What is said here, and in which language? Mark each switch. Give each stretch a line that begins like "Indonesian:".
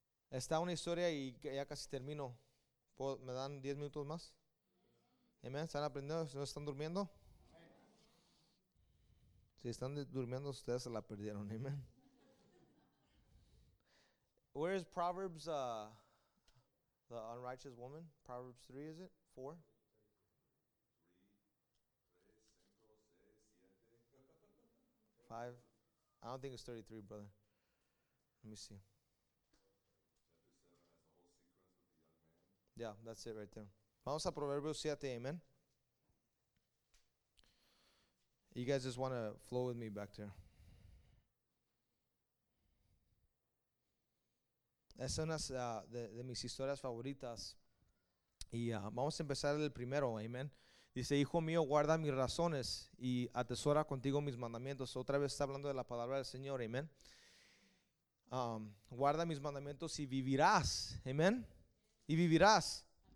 Spanish: Está una historia y ya casi termino. ¿Me dan 10 minutos más? Amén. ¿Están aprendiendo? ¿No están durmiendo? Si están durmiendo, ustedes se la perdieron. Amén.
English: Where is Proverbs, the unrighteous woman? Proverbs 3, is it? 4? Five? I don't think it's 33, brother. Let me see. Yeah, that's it right there.
Spanish: Vamos a Proverbios 7, amen.
English: You guys just want to flow with me back there.
Spanish: Es una de mis historias favoritas. Y vamos a empezar el primero, amen. Dice, hijo mío, guarda mis razones y atesora contigo mis mandamientos. Otra vez está hablando de la palabra del Señor, amen. Guarda mis mandamientos y vivirás, amen. Y vivirás.